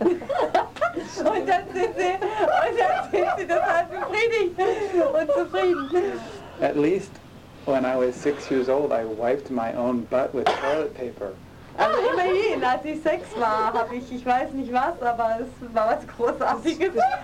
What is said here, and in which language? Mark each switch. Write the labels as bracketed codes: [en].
[de] Und dann sind sie, total befriedigt und zufrieden. [en] At least when I was 6 years old, I wiped my own butt with toilet paper. [de] Also immerhin, als ich 6 war, habe ich weiß nicht was, aber es war was Großartiges.